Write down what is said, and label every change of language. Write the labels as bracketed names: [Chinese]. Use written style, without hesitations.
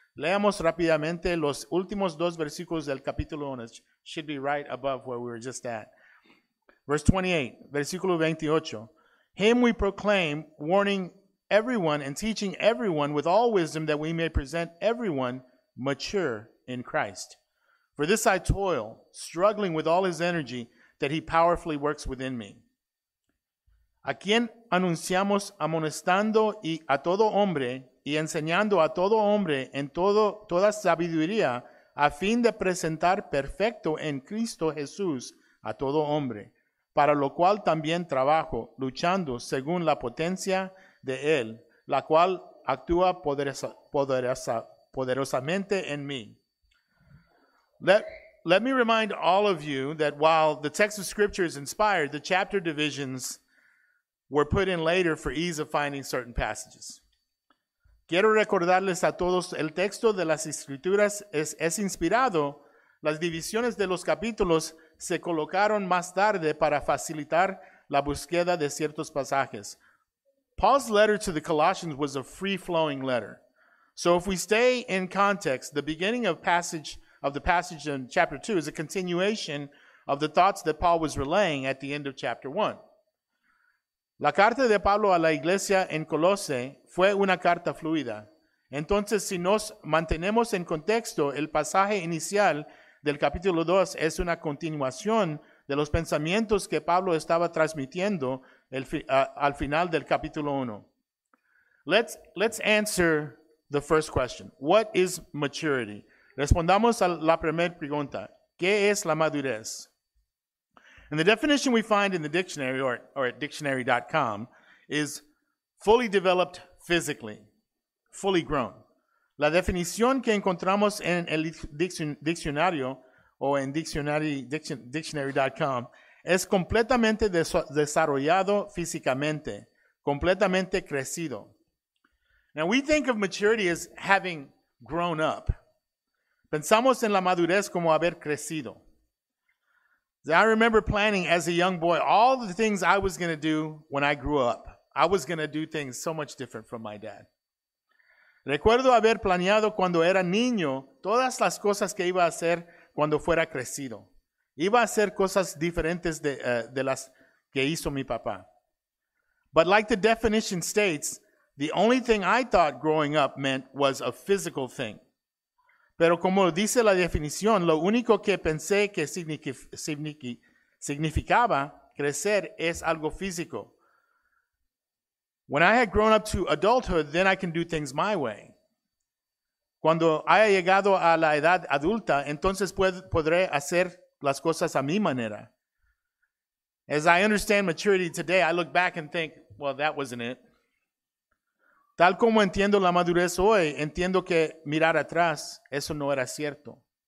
[Spanish] Leamos rápidamente los últimos dos versículos del capítulo 1. [English] It should be right above where we were just at. Verse 28, [Spanish] versículo 28. [English] Him we proclaim, warning everyone and teaching everyone with all wisdom that we may present everyone mature in Christ. For this I toil, struggling with all his energy that he powerfully works within me. [Spanish] A quien anunciamos amonestando y a todo hombre y enseñando a todo hombre en toda sabiduría a fin de presentar perfecto en Cristo Jesús a todo hombre, para lo cual también trabajo, luchando según la potencia de él, la cual actúa poderosamente en mí. [English] Let me remind all of you that while the text of Scripture is inspired, the chapter divisions were put in later for ease of finding certain passages. [Spanish] Quiero recordarles a todos, el texto de las Escrituras es inspirado. Las divisiones de los capítulos se colocaron más tarde para facilitar la búsqueda de ciertos pasajes. [English] Paul's letter to the Colossians was a free-flowing letter. So if we stay in context, the beginning of the passage in chapter 2 is a continuation of the thoughts that Paul was relaying at the end of chapter 1. [Spanish] La carta de Pablo a la iglesia en Colosse fue una carta fluida. Entonces, si nos mantenemos en contexto, el pasaje inicial del capítulo 2 es una continuación de los pensamientos que Pablo estaba transmitiendo al final del capítulo 1. [English] Let's answer the first question. What is maturity? [Spanish] Respondamos a la primera pregunta. ¿Qué es la madurez? [English] And the definition we find in the dictionary or at dictionary.com is fully developed physically, fully grown. [Spanish] La definición que encontramos en el diccionario o en dictionary.com es completamente desarrollado físicamente, completamente crecido. [English] Now we think of maturity as having grown up. [Spanish] Pensamos en la madurez como haber crecido. [English] I remember planning as a young boy all the things I was going to do when I grew up. I was going to do things so much different from my dad. [Spanish] Recuerdo haber planeado cuando era niño todas las cosas que iba a hacer cuando fuera crecido. Iba a hacer cosas diferentes de las que hizo mi papá. [English] But like the definition states, the only thing I thought growing up meant was a physical thing. [Spanish] Pero como dice la definición, lo único que pensé que significaba crecer es algo físico. [English] When I had grown up to adulthood, then I can do things my way. [Spanish] Cuando haya llegado a la edad adulta, entonces podré hacer las cosas a mi manera. [English] As I understand maturity today, I look back and think, well, that wasn't it. [Spanish] Tal como entiendo la madurez hoy, entiendo que mirar atrás, eso no era cierto.